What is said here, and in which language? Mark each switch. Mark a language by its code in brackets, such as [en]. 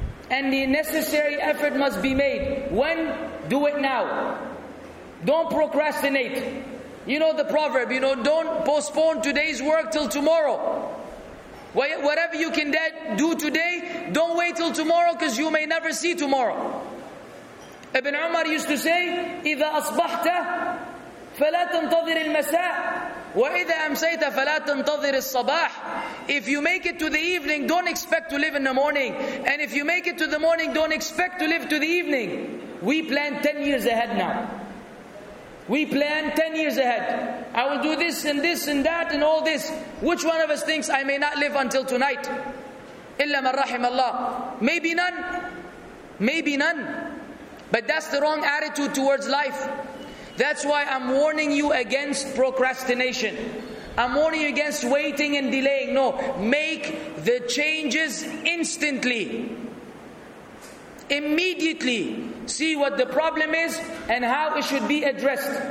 [en] And the necessary effort must be made. When? Do it now. Don't procrastinate. You know the proverb, you know, don't postpone today's work till tomorrow. Whatever you can do today, don't wait till tomorrow because you may never see tomorrow. Ibn Umar used to say, [ar] إذا أصبحت فلا تنتظر المساء وإذا أمسيت فلا تنتظر الصباح. [en] If you make it to the evening, don't expect to live in the morning. And if you make it to the morning, don't expect to live to the evening. We plan 10 years ahead now. We plan 10 years ahead. I will do this and this and that and all this. Which one of us thinks I may not live until tonight? [ar] إلا من رحم الله. [en] Maybe none. But that's the wrong attitude towards life. That's why I'm warning you against procrastination. I'm warning you against waiting and delaying. No, make the changes instantly. Immediately see what the problem is and how it should be addressed.